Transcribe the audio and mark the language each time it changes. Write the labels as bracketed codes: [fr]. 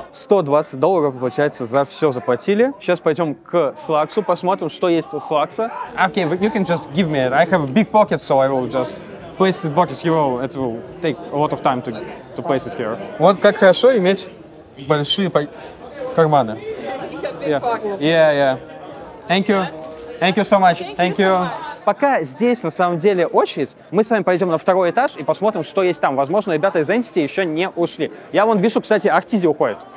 [ru] $120, получается, за все заплатили. Сейчас пойдем к Флаксу, посмотрим, что есть у Флакса. [en] Okay, but you can just give me it. I have a big pocket, so I will just place the pocket here. It will take a lot of time to to place it here. [ru] Вот как хорошо иметь большие карманы. [en] You got big pockets. Yeah, yeah. Thank you. Thank you so much. Thank you. [ru] Пока здесь на самом деле очередь, мы с вами пойдем на второй этаж и посмотрим, что есть там. Возможно, ребята из Entity еще не ушли. Я вон вижу, кстати, Артизи уходит.